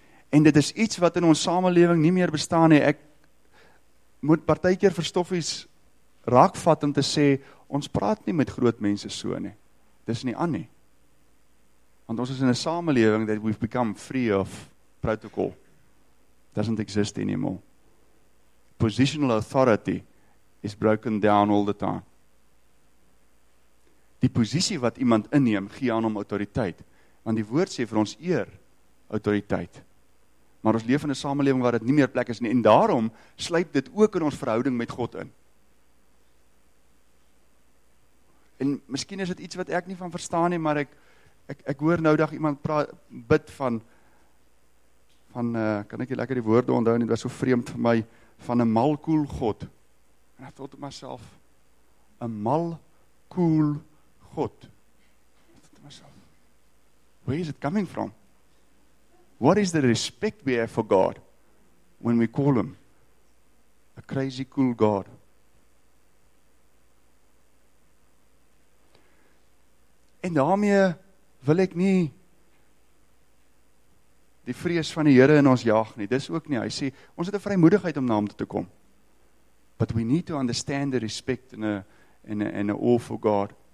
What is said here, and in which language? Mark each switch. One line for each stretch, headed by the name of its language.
Afrikaans: En dit is iets wat in ons samelewing nie meer bestaan nie. Ek moet partykeer verstoffies raakvat om te sê, ons praat nie met groot mense so nie. Dis nie aan nie. Want ons is in 'n samelewing
English: that we've become free of protocol. Doesn't exist anymore. Positional authority is broken down all the time.
Afrikaans: Die posisie wat iemand inneem, gee aan hom autoriteit. Want die woord sê vir ons eer autoriteit. Maar ons leef in 'n samelewing waar dit nie meer plek is nie. En daarom sluip dit ook in ons verhouding met God in. En miskien is dit iets wat ek nie van verstaan nie, maar ek hoor nou dag iemand bid van kan ek nie lekker die woorde onthou nie, dit was so vreemd vir my, van 'n mal koel God. En ek dink tot myself, 'n mal koel God. Ek dink tot myself,
English: where is it coming from? What is the respect we have for God when we call him a crazy cool God?
Afrikaans: En daarmee wil ek nie die vrees van die Here in ons jaag nie. Dis ook nie. Hy sê, ons het 'n vrymoedigheid om na hom toe te kom.
English: But we need to understand the respect in awe for God.